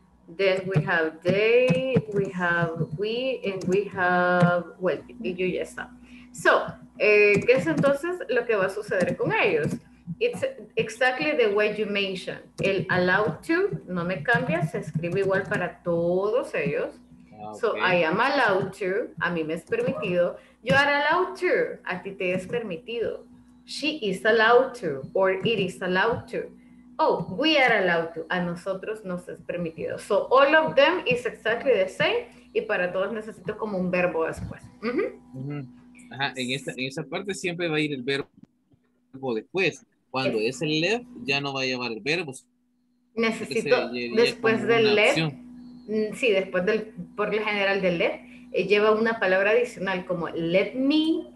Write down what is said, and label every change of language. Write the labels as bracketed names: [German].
[English] Then we have they, we have we, and we have, well, you just saw. [Spanish] So, ¿qué es entonces lo que va a suceder con ellos? It's exactly the way you mentioned. El allowed to, no me cambia, se escribe igual para todos ellos. Okay. So, I am allowed to, a mí me es permitido. You are allowed to, a ti te es permitido. [English] She is allowed to, or it is allowed to. Oh, we are allowed to. [Spanish] A nosotros nos es permitido. [English] So all of them is exactly the same. [Spanish] Y para todos necesito como un verbo después. Ajá, en esa parte siempre va a ir el verbo después. Cuando es el left, ya no va a llevar el verbo. Necesito después del left. Sí, después del, por lo general del left, lleva una palabra adicional como let me.